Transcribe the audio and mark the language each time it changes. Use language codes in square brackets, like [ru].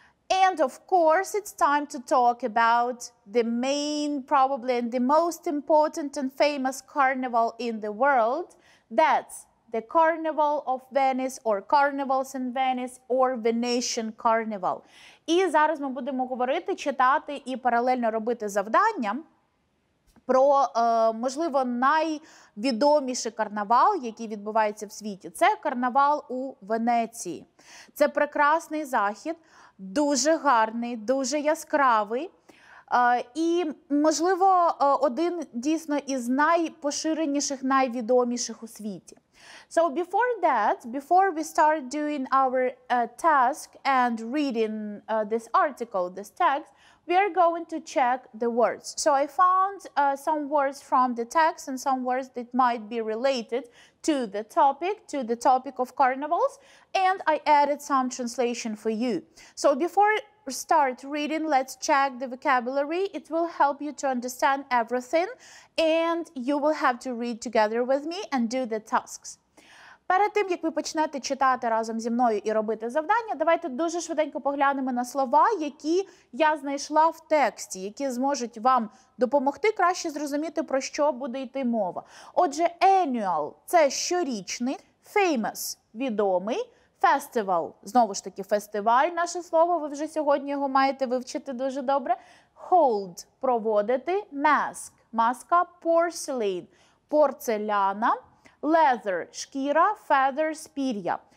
[en] And of course, it's time to talk about the main, probably, and the most important and famous carnival in the world. That's the Carnival of Venice, or Carnivals in Venice, or Venetian Carnival. [uk] І зараз ми будемо говорити, читати і паралельно робити завдання про, можливо, найвідоміший карнавал, який відбувається в світі. Це карнавал у Венеції. Це прекрасний захід, дуже гарний, дуже яскравий. І, можливо, один дійсно із найпоширеніших, найвідоміших у світі. [en] So before that, before we start doing our task and reading this article, this text, we are going to check the words. So I found some words from the text and some words that might be related to the topic of carnivals, and I added some translation for you. So before we start reading, let's check the vocabulary. It will help you to understand everything, and you will have to read together with me and do the tasks. [uk] Перед тим, як ви почнете читати разом зі мною і робити завдання, давайте дуже швиденько поглянемо на слова, які я знайшла в тексті, які зможуть вам допомогти краще зрозуміти, про що буде йти мова. Отже, annual – це щорічний, famous – відомий, festival – знову ж таки, фестиваль – наше слово, ви вже сьогодні його маєте вивчити дуже добре, hold – проводити, mask – маска, porcelain – порцеляна, leather – шкіра, feathers – пір'я.